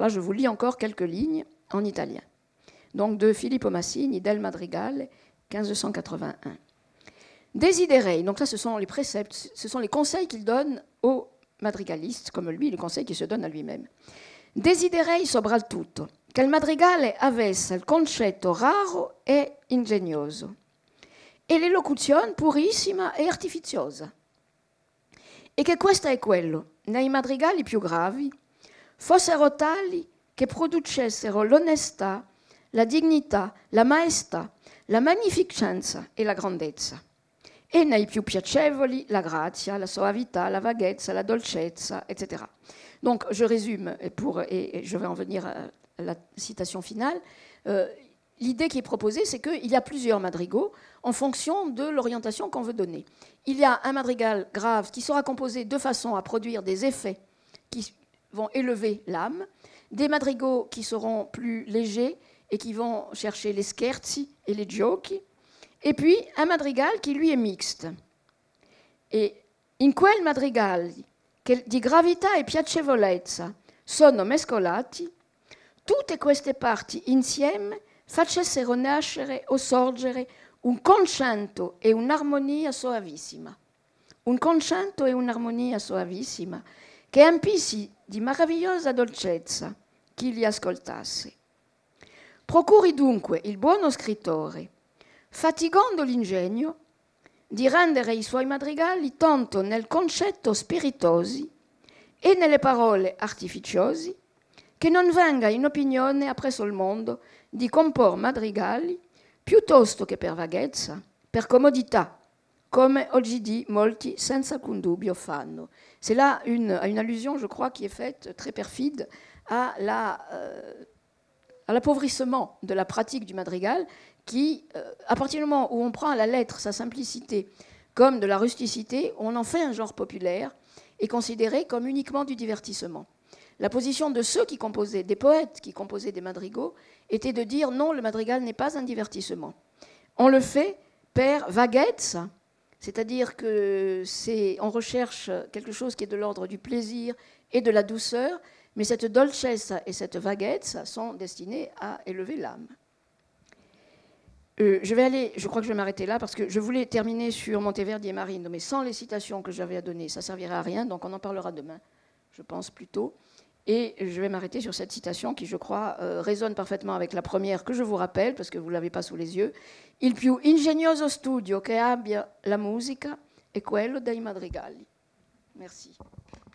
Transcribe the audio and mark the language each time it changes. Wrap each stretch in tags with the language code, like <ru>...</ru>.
<fr>Alors là, je vous lis encore quelques lignes en italien. Donc de Filippo Massini, del Madrigale, 1581.</fr> <it>Desiderei,</it> <fr>donc là ce sont les préceptes, ce sont les conseils qu'il donne au madrigaliste, comme lui, le conseil qu'il se donne à lui-même.</fr> <it>Desiderei sobral tutto. Quel madrigale avesse il concetto raro e ingegnoso, e l'elocuzione purissima e artificiosa, e che questo è quello, nei madrigali più gravi, fossero tali che producessero l'onestà, la dignità, la maestà, la magnificenza e la grandezza, e nei più piacevoli la grazia, la soavità, la vaghezza, la dolcezza, etc.</it> <fr>Donc, je résume, et je vais en venir à la citation finale. L'idée qui est proposée, c'est qu'il y a plusieurs madrigaux en fonction de l'orientation qu'on veut donner. Il y a un madrigal grave qui sera composé de façon à produire des effets qui vont élever l'âme, des madrigaux qui seront plus légers et qui vont chercher les scherzi et les giochi, et puis un madrigal qui lui est mixte.</fr> <it>Et in quel madrigal di gravità e piacevolezza sono mescolati, tutte queste parti insieme facessero nascere o sorgere un concento e un'armonia soavissima. Un concento e un'armonia soavissima che empissi di meravigliosa dolcezza chi li ascoltasse. Procuri dunque il buono scrittore, fatigando l'ingegno, di rendere i suoi madrigali tanto nel concetto spiritosi e nelle parole artificiosi, che non venga in opinione appresso il mondo di compor madrigali piuttosto che per vaghezza, per comodità,</it> <fr>comme aujourd'hui,</fr> <it>molti</it> <fr>sans aucun</fr> <it>dubbio fanno.</it> <fr>C'est là une allusion, je crois, qui est faite très perfide à l'appauvrissement de la pratique du madrigal, qui, à partir du moment où on prend à la lettre sa simplicité comme de la rusticité, on en fait un genre populaire et considéré comme uniquement du divertissement. La position de ceux qui composaient, des poètes qui composaient des madrigaux, était de dire non, le madrigal n'est pas un divertissement. On le fait</fr> <it>per vaghezza.</it> <fr>C'est-à-dire qu'on recherche quelque chose qui est de l'ordre du plaisir et de la douceur, mais cette dolcezza et cette vaghezza sont destinées à élever l'âme. Je crois que je vais m'arrêter là, parce que je voulais terminer sur Monteverdi et Marino, mais sans les citations que j'avais à donner, ça ne servirait à rien, donc on en parlera demain, je pense, plus tôt. Et je vais m'arrêter sur cette citation qui, je crois, résonne parfaitement avec la première que je vous rappelle, parce que vous ne l'avez pas sous les yeux.</fr> <it>Il più ingegnoso studio che abbia la musica è quello dei madrigali.</it> <fr>Merci.</fr>